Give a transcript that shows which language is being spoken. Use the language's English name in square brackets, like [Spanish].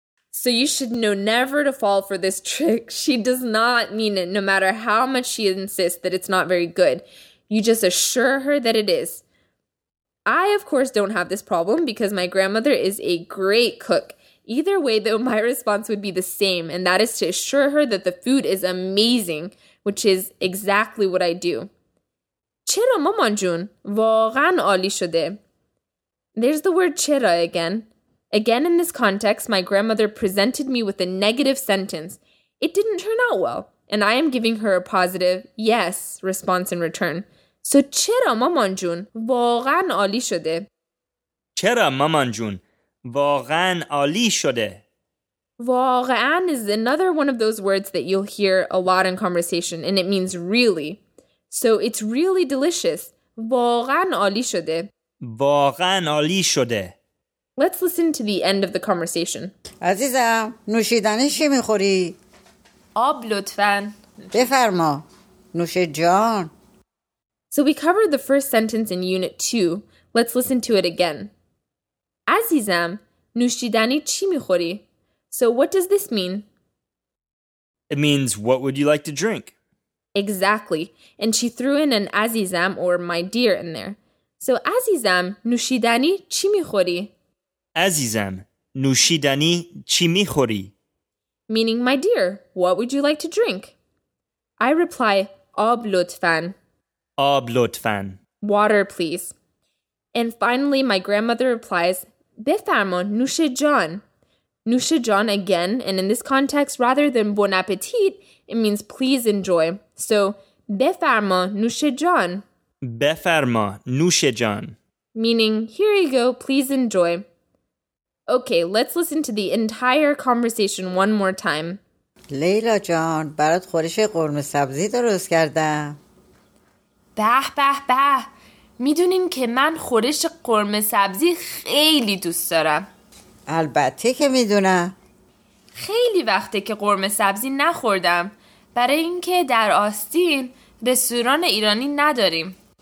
[English] So you should know never to fall for this trick. She does not mean it, no matter how much she insists that it's not very good. You just assure her that it is. I, of course, don't have this problem because my grandmother is a great cook. Either way, though, my response would be the same, and that is to assure her that the food is amazing, which is exactly what I do. [Persian] چرا مامان جون؟ واقعا عالی شده. [English] There's the word چرا again. Again, in this context, my grandmother presented me with a negative sentence. It didn't turn out well, and I am giving her a positive yes response in return. [Persian] So چرا مامان جون؟ واقعا عالی شده. چرا مامان جون؟ واقعا عالی شده. [English] واقعا is another one of those words that you'll hear a lot in conversation, and it means really. So it's really delicious. [Persian] واقعا عالی شده. واقعا عالی شده. [English] Let's listen to the end of the conversation. [Persian] عزیزم، نوشیدنی چی می‌خوری؟ آب لطفاً. بفرما. نوش جان. [English] So we covered the first sentence in unit 2. Let's listen to it again. [Persian] عزیزم، نوشیدنی چی می‌خوری؟ [English] So what does this mean? It means what would you like to drink? Exactly. And she threw in an عزیزم or my dear in there. [Persian] So عزیزم، نوشیدنی چی می‌خوری؟ عزیزم، نوشیدنی چی می‌خوری؟ [English] Meaning, my dear, what would you like to drink? I reply, [Persian] آب لطفاً. آب لطفاً. [English] Water, please. And finally, my grandmother replies, [Persian] بفرما نوش جان. [English] نوش جان again, and in this context, rather than bon appetit, it means please enjoy. [Persian] So, بفرما نوش جان. بفرما نوش جان. [English] Meaning, here you go, please enjoy. Okay, let's listen to the entire conversation one more time. [Persian] لیلا جان، برات خورش قرمه سبزی درست کردم. به به به، میدونین که من خورش قرمه سبزی خیلی دوست دارم. البته که میدونم. خیلی وقته که قرمه سبزی نخوردم، برای اینکه در آستین رستوران ایرانی نداریم.